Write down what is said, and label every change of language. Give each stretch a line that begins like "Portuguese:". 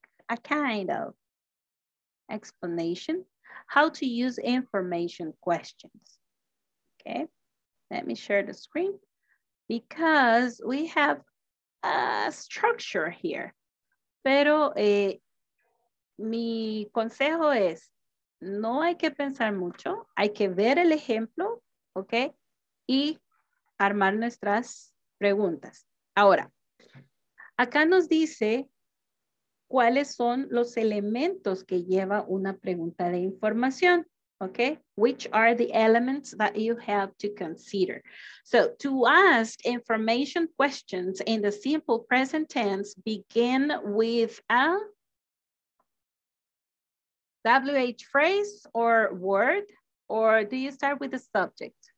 English: A kind of explanation, how to use information questions, okay? Let me share the screen because we have a structure here.
Spanish: Pero mi consejo es, no hay que pensar mucho, hay que ver el ejemplo, ¿ok? Y armar nuestras preguntas. Ahora, acá nos dice cuáles son los elementos que lleva una pregunta de información.
English: Okay, which are the elements that you have to consider? So to ask information questions in the simple present tense, begin with a WH phrase or word, or do you start with the subject?